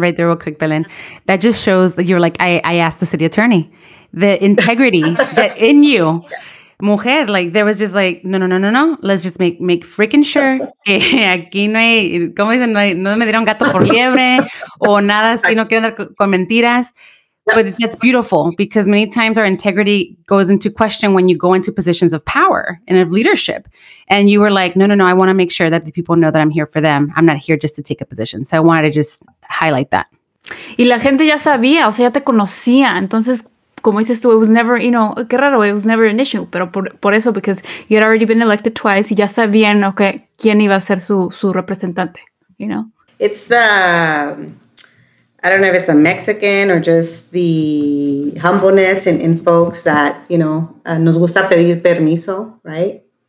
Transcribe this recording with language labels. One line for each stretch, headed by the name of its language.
English: right there real quick, Belen, that just shows that you're like, I asked the city attorney, the integrity that in you, mujer, like there was just like, no, let's just make freaking sure
Spanish: que aquí no hay, como dicen, no me dieron gato por liebre o nada, si no quieren dar con mentiras.
English: But that's beautiful, because many times our integrity goes into question when you go into positions of power and of leadership. And you were like, no, I want to make sure that the people know that I'm here for them. I'm not here just to take a position. So I wanted to just highlight that.
Spanish: Y la gente ya sabía, o sea, ya te conocía. Entonces, como dices tú,
English: it was never, you know,
Spanish: qué raro,
English: it was never an issue.
Spanish: Pero por eso,
English: because you had already been elected twice
Spanish: y ya sabían,
English: okay,
Spanish: quién iba a ser su representante,
English: you know? It's the... I don't know if it's a Mexican or just the humbleness in folks that, you know,
Spanish: nos gusta pedir permiso,
English: right?